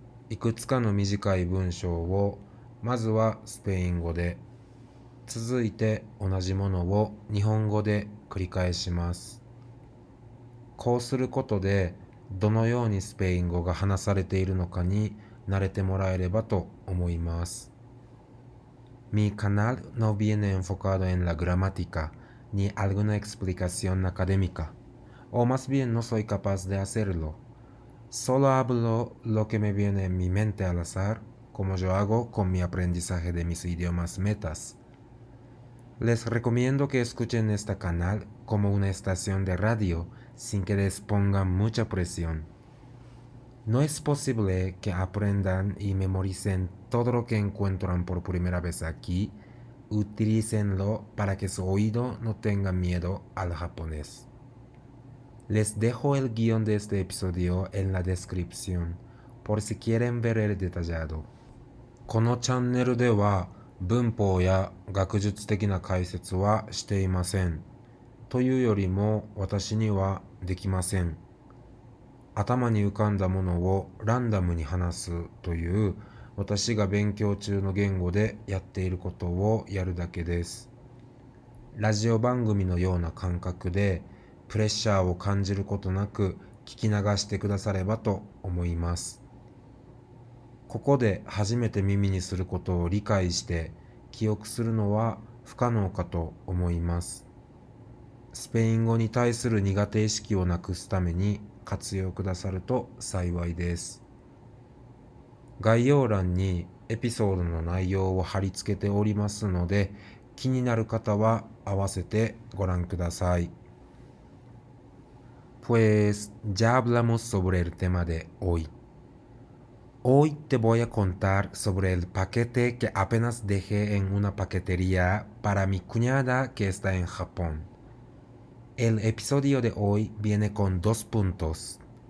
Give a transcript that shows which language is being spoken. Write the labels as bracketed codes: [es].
[ja] いくつかの短い文章を、まずはスペイン語で、続いて同じものを日本語で繰り返します。こうすることで、どのようにスペイン語が話されているのかに慣れてもらえればと思います。 [es] Mi canal no viene enfocado en la gramática. Ni alguna explicación académica, o más bien no soy capaz de hacerlo. Solo hablo lo que me viene en mi mente al azar, como yo hago con mi aprendizaje de mis idiomas metas. Les recomiendo que escuchen este canal como una estación de radio, sin que les pongan mucha presión. No es posible que aprendan y memoricen todo lo que encuentran por primera vez aquí. Utilícenlo para que su oído no tenga miedo al japonés. Les dejo el guión de este episodio en la descripción, por si quieren ver el detallado. [ja] このチャンネルでは文法や学術的な解説はしていません。というよりも私にはできません。頭に浮かんだものをランダムに話すという私が勉強中の言語でやっていることをやるだけです。ラジオ番組のような感覚でプレッシャーを感じることなく聞き流してくださればと思います。ここで初めて耳にすることを理解して記憶するのは不可能かと思います。スペイン語に対する苦手意識をなくすために活用くださると幸いです。概要欄にエピソードの内容を貼り付けておりますので、気になる方は合わせてご覧ください。 [es] Pues, ya hablamos sobre el tema de hoy. Hoy te voy a contar sobre el paquete que apenas dejé en una paquetería para mi cuñada que está en Japón. El episodio de hoy viene con dos puntos.